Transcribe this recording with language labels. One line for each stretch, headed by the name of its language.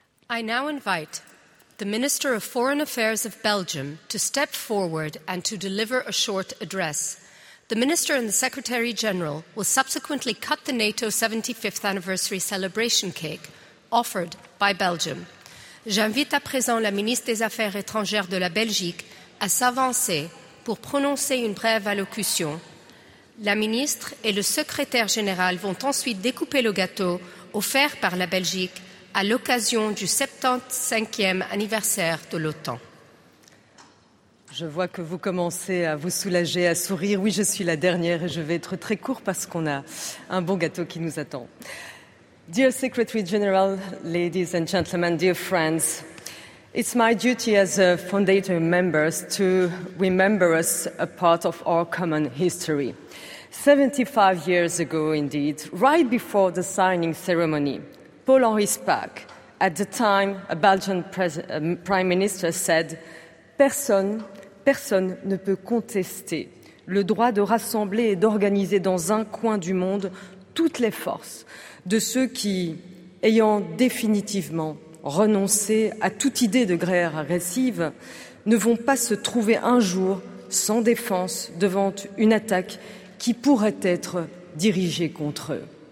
English: I now invite the Minister of Foreign Affairs of Belgium to step forward and to deliver a short address. The Minister and the Secretary General will subsequently cut the NATO 75th anniversary celebration cake offered by Belgium.
French: J'invite à présent la Ministre des Affaires étrangères de la Belgique à s'avancer pour prononcer une brève allocution. La Ministre et le Secrétaire Général vont ensuite découper le gâteau offert par la Belgique à l'occasion du 75e anniversaire de l'OTAN. Je vois que vous commencez à vous soulager, à sourire. Oui, je suis la dernière et je vais être très court parce qu'on a un bon gâteau qui nous attend.
English: Dear Secretary General, ladies and gentlemen, dear friends, it's my duty as a foundation member to remember us a part of our common history. 75 years ago, indeed, right before the signing ceremony, Paul-Henri Spaak, at the time a Belgian prime minister, said,
French: Personne ne peut contester le droit de rassembler et d'organiser dans un coin du monde toutes les forces de ceux qui, ayant définitivement renoncé à toute idée de guerre agressive, ne vont pas se trouver un jour sans défense devant une attaque qui pourrait être dirigée contre eux.